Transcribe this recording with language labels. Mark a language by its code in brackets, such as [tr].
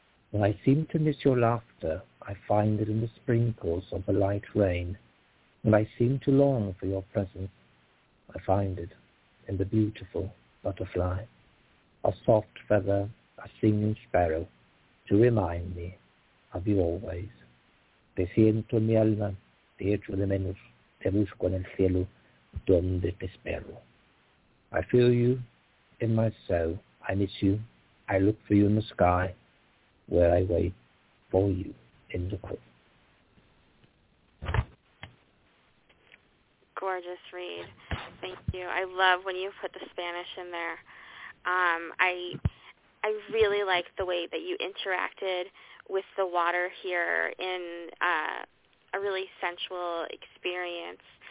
[en] When I seem to miss your laughter, I find it in the sprinkles of the light rain. When I seem to long for your presence, I find it in the beautiful butterfly, a soft feather, a singing sparrow, to remind me of you always. [es] Te siento en mi alma, te echo de menos, te busco en el cielo, donde te espero. [en] I feel you in my soul, I miss you, I look for you in the sky, where I wait for you in the crypt. Gorgeous read. Thank you. I love when you put the Spanish in there. I really like the way that you interacted with the water here in a really sensual experience.